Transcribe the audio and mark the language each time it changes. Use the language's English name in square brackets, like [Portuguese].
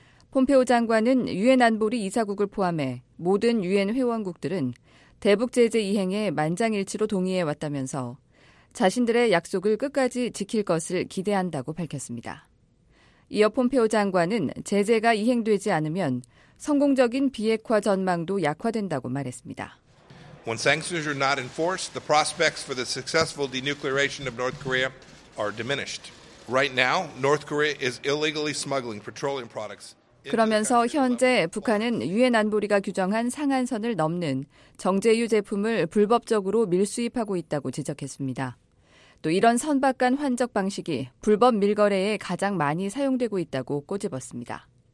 [Korean] 폼페오 장관은 유엔 안보리 이사국을 포함해 모든 유엔 회원국들은 대북 제재 이행에 만장일치로 동의해 왔다면서 자신들의 약속을 끝까지 지킬 것을 기대한다고 밝혔습니다. 이어 폼페오 장관은 제재가 이행되지 않으면 성공적인 비핵화 전망도 약화된다고 말했습니다. [English] When sanctions are not enforced, the prospects for the successful denuclearization of North Korea are diminished. Right now, North Korea is illegally smuggling petroleum products. [Korean] 그러면서 현재 북한은 유엔 안보리가 규정한 상한선을 넘는 정제유 제품을 불법적으로 밀수입하고 있다고 지적했습니다. 또 이런 선박 간 환적 방식이 불법 밀거래에 가장 많이 사용되고 있다고 꼬집었습니다.